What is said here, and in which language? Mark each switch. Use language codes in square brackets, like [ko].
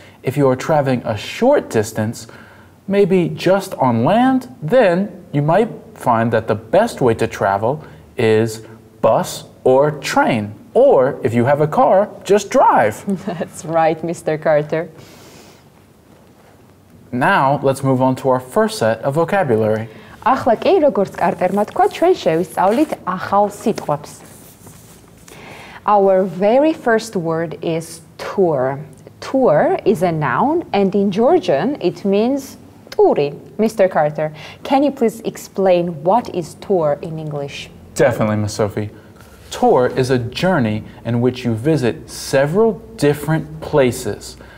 [en] If you are traveling a short distance, maybe just on land, then you might find that the best way to travel is bus or train. Or if you have a car, just drive. That's right, Mr. Carter. Now let's move on to our first set of vocabulary. [ka] ახლა კი, როგორც კარტერმა თქვა, ჩვენ შევისწავლით ახალ სიტყვებს. [en] Our very first word is tour. Tour is a noun, and in Georgian it means Uri. Mr. Carter, can you please explain what is tour in English? Definitely, Miss Sophie. Tour is a journey in which you visit several different places.